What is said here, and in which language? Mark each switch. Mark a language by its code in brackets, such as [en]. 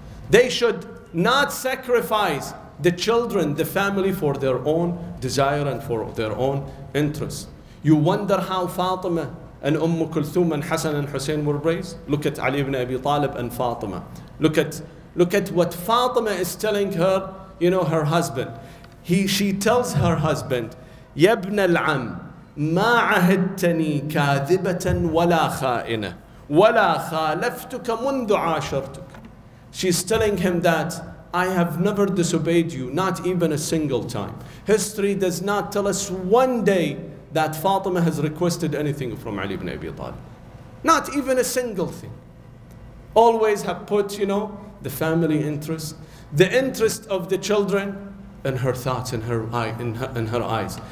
[en] They should not sacrifice the children, the family, for their own desire and for their own interest. You wonder how Fatima and Umm Kulthum and Hassan and Hussein were raised? Look at Ali ibn Abi Talib and Fatima. Look at what Fatima is telling her, you know, her husband. She tells her husband, [ar] يَبْنَ الْعَمْ مَا عَهَدْتَنِي كَاذِبَةً وَلَا خَائِنَةً وَلَا خَالَفْتُكَ مُنْذُ عَاشَرْتُكَ. [en] She's telling him that I have never disobeyed you, not even a single time. History does not tell us one day that Fatima has requested anything from Ali ibn Abi Talib. Not even a single thing. Always have put, you know, the family interest, the interest of the children in her thoughts, in her eyes.